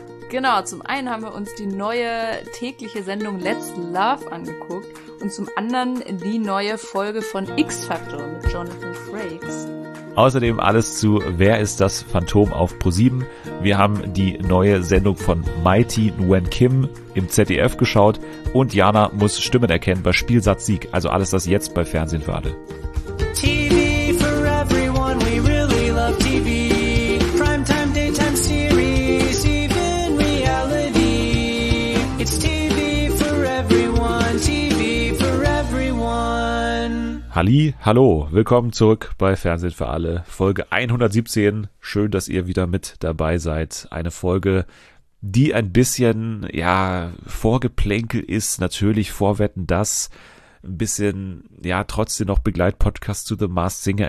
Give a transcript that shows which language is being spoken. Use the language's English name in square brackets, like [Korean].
[German] Genau, zum einen haben wir uns die neue tägliche Sendung Let's Love angeguckt und zum anderen die neue Folge von X-Factor mit Jonathan Frakes. Außerdem alles zu Wer ist das Phantom auf ProSieben. Wir haben die neue Sendung von Mighty Nguyen Kim im ZDF geschaut und Jana muss Stimmen erkennen bei Spielsatz Sieg, also alles das jetzt bei Fernsehen für alle. [English] TV for everyone, we really love TV. Primetime, daytime series, even reality. It's TV for everyone, TV for everyone. [German] Halli, hallo, willkommen zurück bei Fernsehen für alle, Folge 117. Schön, dass ihr wieder mit dabei seid. Eine Folge, die ein bisschen, ja, Vorgeplänkel ist, natürlich Vorwetten, dass ein bisschen, ja, trotzdem noch Begleitpodcast zu The Masked Singer.